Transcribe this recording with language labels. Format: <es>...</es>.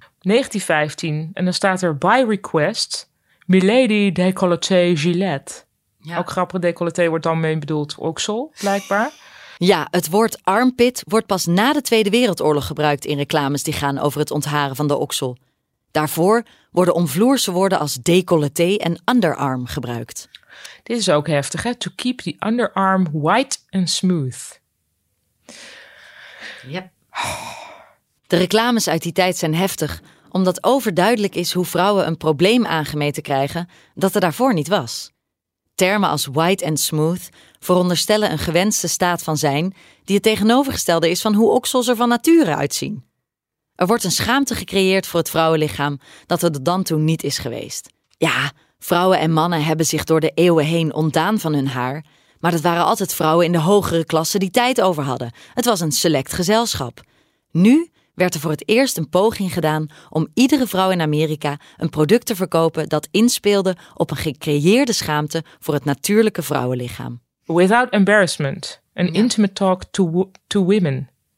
<nl>1915, en dan staat er</nl> <en>by request,</en> <nl>Milady décolleté Gillette. Ja. Ook grappig, décolleté wordt dan mee bedoeld oksel, blijkbaar. Ja, het woord armpit wordt pas na de Tweede Wereldoorlog gebruikt in reclames die gaan over het ontharen van de oksel. Daarvoor worden omvloerse woorden als décolleté en underarm gebruikt. Dit is ook heftig, hè?</nl> <en>To keep the underarm white and smooth. Yep.</en> <nl>De reclames uit die tijd zijn heftig, omdat overduidelijk is hoe vrouwen een probleem aangemeten krijgen dat er daarvoor niet was. Termen als</nl> <en>white and smooth</en> <nl>veronderstellen een gewenste staat van zijn die het tegenovergestelde is van hoe oksels er van nature uitzien. Er wordt een schaamte gecreëerd voor het vrouwenlichaam dat er dan toe niet is geweest. Ja, vrouwen en mannen hebben zich door de eeuwen heen ontdaan van hun haar, maar dat waren altijd vrouwen in de hogere klasse die tijd over hadden. Het was een select gezelschap. Nu werd er voor het eerst een poging gedaan om iedere vrouw in Amerika een product te verkopen dat inspeelde op een gecreëerde schaamte voor het natuurlijke vrouwenlichaam.</nl> <en>Without embarrassment, an intimate talk to women.</en>